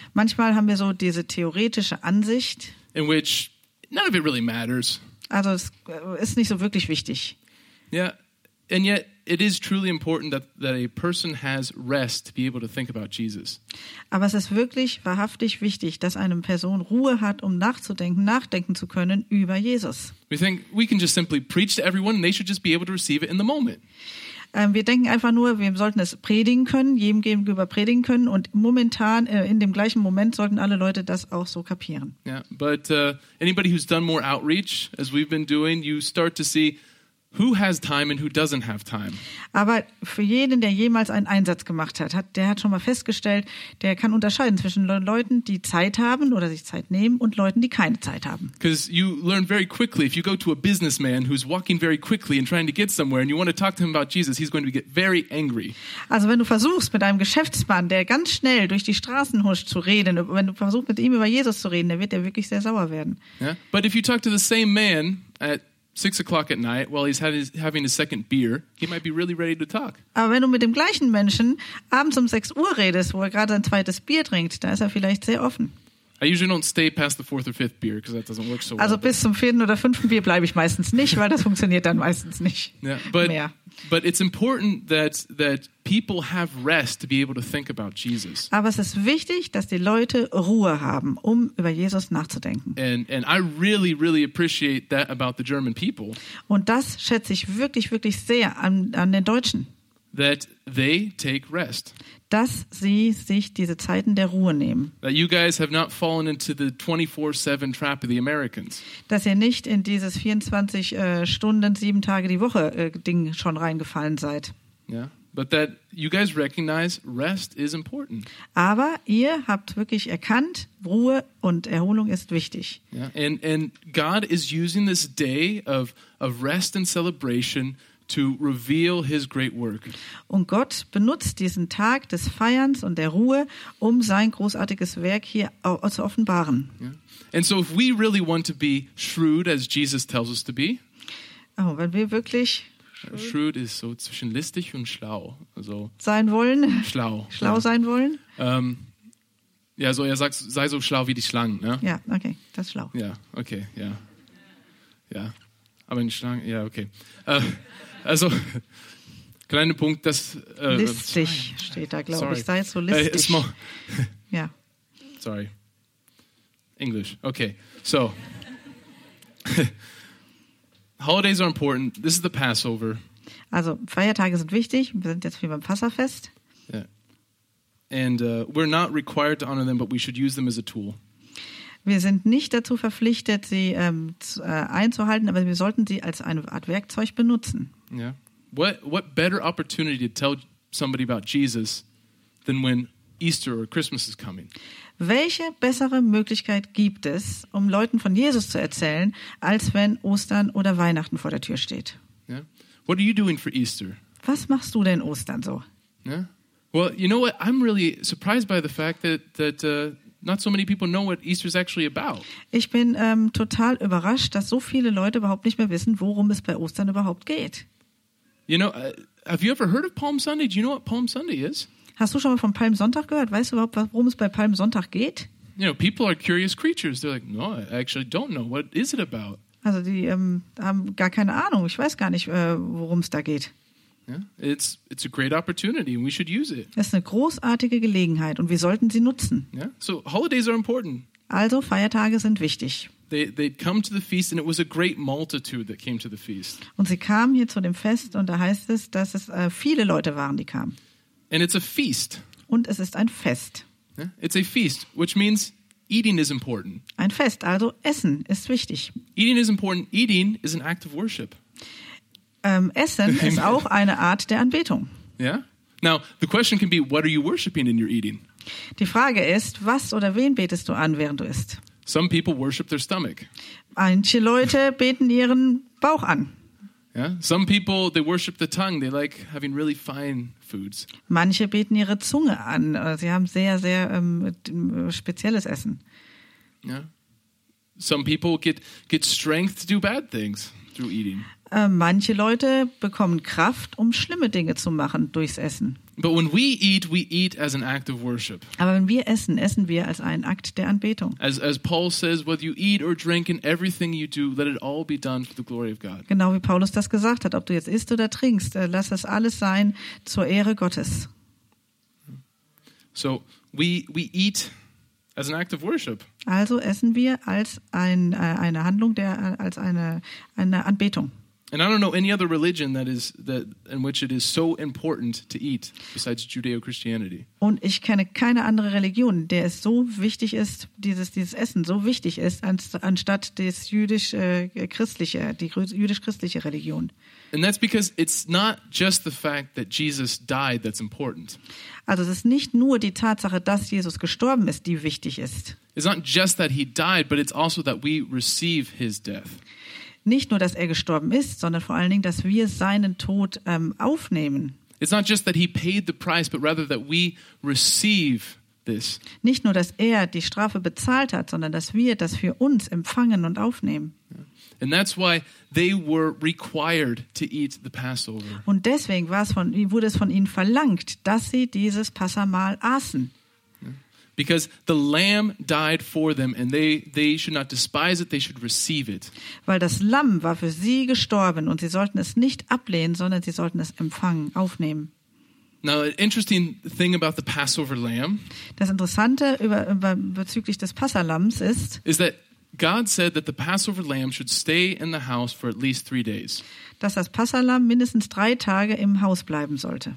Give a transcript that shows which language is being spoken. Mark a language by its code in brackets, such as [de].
[de] Manchmal haben wir so diese theoretische Ansicht, [en] in which none of it really matters. [de] Also es ist nicht so wirklich wichtig. [en] Yeah, and yet it is truly important that a person has rest to be able to think about Jesus. [de] Aber es ist wirklich wahrhaftig wichtig, dass eine Person Ruhe hat, um nachdenken zu können über Jesus. [en] We think we can just simply preach to everyone, and they should just be able to receive it in the moment. [de] Wir denken einfach nur, wir sollten es predigen können, jedem gegenüber predigen können und momentan, in dem gleichen Moment, sollten alle Leute das auch so kapieren. [en] Yeah, but anybody who's done more outreach, as we've been doing, you start to see Who has time and who doesn't have time? [de] Aber für jeden, der jemals einen Einsatz gemacht hat, der hat schon mal festgestellt, der kann unterscheiden zwischen Leuten, die Zeit haben oder sich Zeit nehmen und Leuten, die keine Zeit haben. [en] Because you learn very quickly, if you go to a businessman who's walking very quickly and trying to get somewhere and you want to talk to him about Jesus, he's going to get very angry. [de] Also wenn du versuchst, mit einem Geschäftsmann, der ganz schnell durch die Straßen huscht, zu reden, wenn du versuchst, mit ihm über Jesus zu reden, dann wird er wirklich sehr sauer werden. [en] Yeah? But if you talk to the same man at 6 o'clock at night, while he's having his second beer, he might be really ready to talk. [de] Aber wenn du mit dem gleichen Menschen abends um 6 Uhr redest, wo er gerade sein zweites Bier trinkt, da ist er vielleicht sehr offen. [en] I usually don't stay past the fourth or fifth beer because that doesn't work so well. [de] Also bis zum vierten oder fünften Bier bleibe ich meistens nicht, weil das funktioniert dann meistens nicht. [en] Yeah, but it's important that people have rest to be able to think about Jesus. [de] Aber es ist wichtig, dass die Leute Ruhe haben, um über Jesus nachzudenken. [en] And I really, really appreciate that about the German people. [de] Und das schätze ich wirklich, wirklich sehr an den Deutschen. [en] That they take rest. [de] Dass sie sich diese Zeiten der Ruhe nehmen. [en] That you guys have not fallen into the 24/7 trap of the Americans. [de] Dass ihr nicht in dieses 24 Stunden, 7 Tage die Woche Ding schon reingefallen seid. [en] Yeah. But that you guys recognize rest is important. [de] Aber ihr habt wirklich erkannt, Ruhe und Erholung ist wichtig. [en] Yeah. And God is using this day of rest and celebration to reveal his great work. [de] Und Gott benutzt diesen Tag des Feierns und der Ruhe, um sein großartiges Werk hier zu offenbaren. [en] Yeah. And so if we really want to be shrewd as Jesus tells us to be. [de] Oh, wenn wir wirklich shrewd ist so zwischen listig und schlau, also sein wollen. Schlau sein wollen? Ja, so er sagt, sei so schlau wie die Schlangen, ne? Ja, yeah, okay, das ist schlau. Ja, yeah, okay, ja. Yeah. Ja. Yeah. Aber eine Schlange, ja, okay. Also, kleiner Punkt, das... listig steht da, glaube ich. Sei so listig. [en] Small. [de] Ja. [en] Sorry. English. Okay, so. Holidays are important. This is the Passover. [de] Also, Feiertage sind wichtig. Wir sind jetzt wie beim Passafest. Ja. Yeah. [en] And we're not required to honor them, but we should use them as a tool. [de] Wir sind nicht dazu verpflichtet, sie einzuhalten, aber wir sollten sie als eine Art Werkzeug benutzen. [en] Yeah. What better opportunity to tell somebody about Jesus than when Easter or Christmas is coming? [de] Welche bessere Möglichkeit gibt es, um Leuten von Jesus zu erzählen, als wenn Ostern oder Weihnachten vor der Tür steht? [en] Yeah. What are you doing for Easter? [de] Was machst du denn Ostern so? [en] Yeah. Well, you know what? I'm really surprised by the fact that not so many people know what Easter is actually about. [de] Ich bin total überrascht, dass so viele Leute überhaupt nicht mehr wissen, worum es bei Ostern überhaupt geht. [en] You know, have you ever heard of Palm Sunday? Do you know what Palm Sunday is? [de] Hast du schon mal von Palmsonntag gehört? Weißt du überhaupt, worum es bei Palmsonntag geht? [en] You know, people are curious creatures. They're like, no, I actually don't know. What is it about? [de] Also die haben gar keine Ahnung. Ich weiß gar nicht, worum es da geht. [en] Yeah, it's a great opportunity and we should use it. [de] Es ist eine großartige Gelegenheit und wir sollten sie nutzen. [en] Yeah, so holidays are important. [de] Also Feiertage sind wichtig. [en] They come to the feast and it was a great multitude that came to the feast. [de] Und sie kamen hier zu dem Fest und da heißt es, dass es viele Leute waren, die kamen. [en] And it's a feast. [de] Und es ist ein Fest. [en] Yeah, it's a feast, which means eating is important. [de] Ein Fest, also Essen ist wichtig. [en] Eating is important. Eating is an act of worship. [de] Essen ist auch eine Art der Anbetung. [en] Yeah. Now the question can be, what are you worshiping in your eating? [de] Die Frage ist, was oder wen betest du an, während du isst? [en] Some people worship their stomach. [de] Manche Leute beten ihren Bauch an. [en] Yeah. Some people they worship the tongue. They like having really fine foods. [de] Manche beten ihre Zunge an. Sie haben sehr, sehr spezielles Essen. [en] Yeah. Some people get strength to do bad things through eating. [de] Manche Leute bekommen Kraft, um schlimme Dinge zu machen durchs Essen. [en] But when we eat as an act of worship. [de] Aber wenn wir essen, essen wir als einen Akt der Anbetung. [en] As Paul says, whether you eat or drink and everything you do, let it all be done for the glory of God. [de] Genau wie Paulus das gesagt hat, ob du jetzt isst oder trinkst, lass das alles sein zur Ehre Gottes. [en] So we eat as an act of worship. [de] Also essen wir als eine Handlung der als eine Anbetung. [en] And I don't know any other religion that is that in which it is so important to eat besides Judeo-Christianity. [de] Und ich kenne keine andere Religion, der es so wichtig ist, dieses Essen so wichtig ist, anstatt das jüdisch-christliche, die jüdisch-christliche Religion. [en] And that's because it's not just the fact that Jesus died that's important. [de] Also es ist nicht nur die Tatsache, dass Jesus gestorben ist, die wichtig ist. [en] It's not just that he died, but it's also that we receive his death. [de] Nicht nur, dass er gestorben ist, sondern vor allen Dingen, dass wir seinen Tod aufnehmen. [en] It's not just that he paid the price, but rather that we receive this. [de] Nicht nur, dass er die Strafe bezahlt hat, sondern dass wir das für uns empfangen und aufnehmen. [en] And that's why they were required to eat the Passover. [de] Und deswegen wurde es von ihnen verlangt, dass sie dieses Passamahl aßen. [en] Because the lamb died for them and they should not despise it, they should receive it. [de] Weil das Lamm war für sie gestorben und sie sollten es nicht ablehnen, sondern sie sollten es empfangen, aufnehmen. [en] Now, an interesting thing about the Passover lamb. [de] Das Interessante bezüglich des Passalamms ist, [en] is that God said that the Passover lamb should stay in the house for at least 3 days. [de] Dass das Passalamm mindestens 3 Tage im Haus bleiben sollte.